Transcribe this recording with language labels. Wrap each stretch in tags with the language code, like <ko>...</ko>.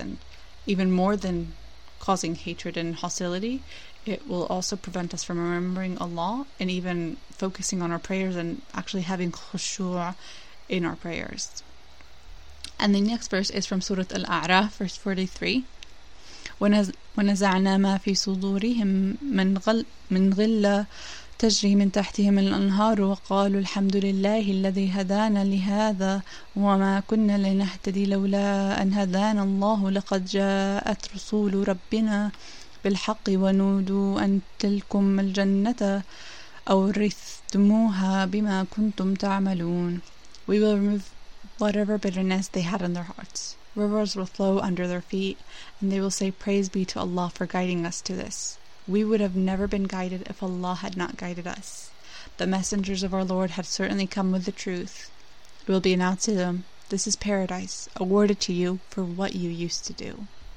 <en>And even more than causing hatred and hostility, it will also prevent us from remembering Allah and even focusing on our prayers and actually having khushu' in our prayers. And the next verse is from Surah Al-A'raf, verse 43.</en> <ar>وَنَزَعْنَا مَا فِي صُدُورِهِمْ مِنْ غِلَّ تجري من تحتهم الأنهار وقالوا الحمد لله الذي هدانا لهذا وما كنا لنهتدي لولا أن هدانا الله لقد جاءت رسول ربنا بالحق ونودوا أن تلكم الجنة أورثتموها بما كنتم تعملون.</ar> <en>We will remove whatever bitterness they had in their hearts. Rivers will flow under their feet, and they will say, praise be to Allah for guiding us to this. We would have never been guided if Allah had not guided us. The messengers of our Lord had certainly come with the truth. It will be announced to them, this is paradise, awarded to you for what you used to do.</en>